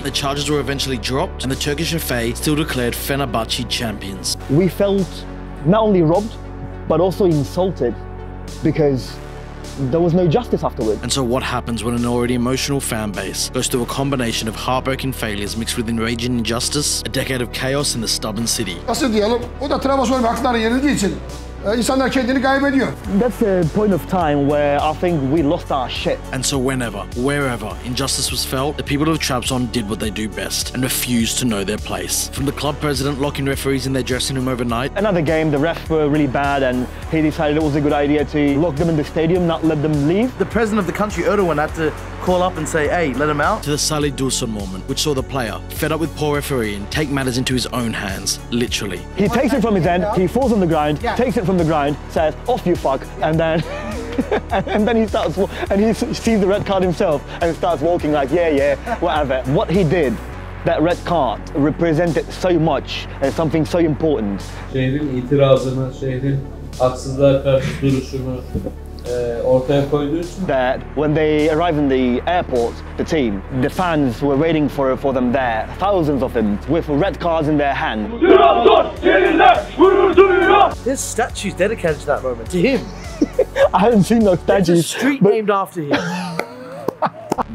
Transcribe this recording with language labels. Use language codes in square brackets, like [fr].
[en] The charges were eventually dropped and the Turkish FA still declared Fenerbahce champions. We felt not only robbed, but also insulted, because there was no justice afterwards. And so what happens when an already emotional fan base goes through a combination of heartbreaking failures mixed with enraging injustice, a decade of chaos in the stubborn city? [tr] Nasıl diyelim? O da Trabzonspor haklarını yenildiği için insanlar kendini kaybediyor. [en] That's a point of time where I think we lost our shit. And so whenever, wherever injustice was felt, the people of Trabzon did what they do best and refused to know their place. From the club president locking referees in their dressing room overnight. Another game, the refs were really bad and he decided it was a good idea to lock them in the stadium, not let them leave. The president of the country, Erdogan, had to call up and say, hey, let him out. To the Salih Dursun moment, which saw the player, fed up with poor refereeing, take matters into his own hands, literally. He takes it from his end, he falls on the ground, yeah. Takes it from the ground, says, off you fuck, and then and then he starts, and he sees the red card himself and starts walking like, yeah, yeah, whatever. What he did, that red card, represented so much and something so important. [tr] Şehrin itirazını, şehrin haksızlığa karşı duruşunu ortaya koyduğu. [en] That when they arrived in the airport, the team, the fans were waiting for them there, thousands of them, with red cards in their hand. There's statues dedicated to that moment, to him. I haven't seen no statues. There's a street named after him.